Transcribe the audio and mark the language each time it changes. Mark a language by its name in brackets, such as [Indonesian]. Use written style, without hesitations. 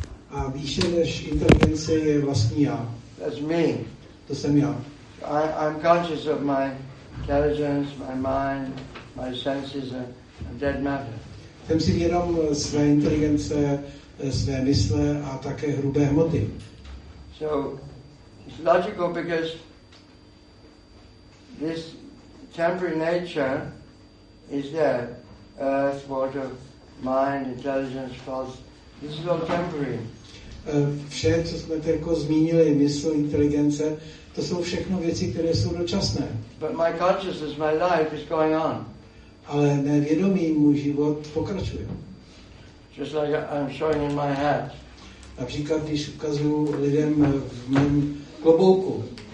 [Czech] A vyšší než inteligence je vlastní já. [English] That's me. [Czech] To jsem já. [English] I'm conscious of my intelligence, my mind, my senses and dead matter. [Czech] Jsem si vědom své inteligence, své mysle a také hrubé hmoty. [English] So it's logical because this temporary nature is there. Earth, water, mind, intelligence, thoughts. This is all temporary. [Czech] Vše, co jsme teďko zmínili, mysl, inteligence, to jsou všechno věci, které jsou dočasné. [English] But my consciousness, my life is going on. [Czech] Ale nevědomý můj život pokračuje. [English] Just like I'm showing in my hat. [Czech] Například, když ukazuju lidem v mém klobouku.